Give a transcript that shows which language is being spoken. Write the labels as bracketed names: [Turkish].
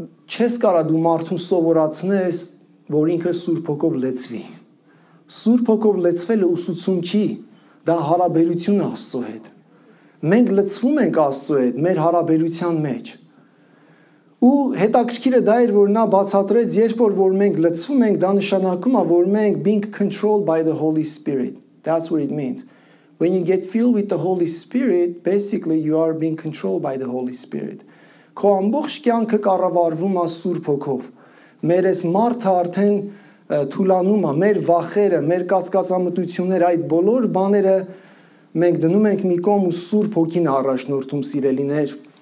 [Armenian] չես կարա դու մարդուն սովորացնես, որ ինքը Սուրբ Հոգով լցվի, Սուրբ Հոգով լցվելը ուսուցում չի, դա հարաբերություն է Աստծո հետ, մենք լցվում ենք Աստծո հետ մեր հարաբերության մեջ, ու հետաքրքիրը դա էր, որ նա բացատրեց, երբ որ մենք լցվում ենք, դա նշանակում է, որ մենք [English] being controlled by the Holy Spirit. That's what it means. When you get filled with the Holy Spirit, basically you are being controlled by the Holy Spirit. [Armenian] Քո ամբողջ կյանքը կառավարվում է Սուրբ Հոգով. Մեր այս մարդը արդեն թուլանում է, մեր վախերը, մեր կասկածամտությունները, այդ բոլոր բաները մենք դնում ենք մի կողմ ու Սուրբ Հոգին առաջնորդում, սիրելիներ.